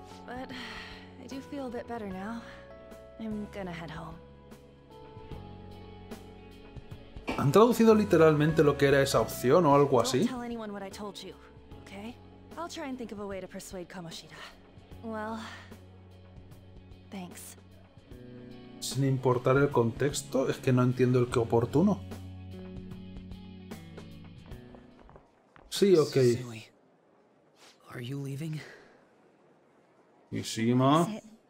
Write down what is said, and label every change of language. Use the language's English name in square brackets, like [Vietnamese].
[English] But I do feel a bit better now. I'm gonna head home. [Spanish] ¿Han traducido literalmente lo que era esa opción o algo así? [English] Don't tell anyone what I told you, okay? I'll try and think of a way to persuade Kamoshida. Well, thanks. [Spanish] Sin importar el contexto, es que no entiendo el qué oportuno. Sí, okay. [English] Sui, are you leaving? Mishima?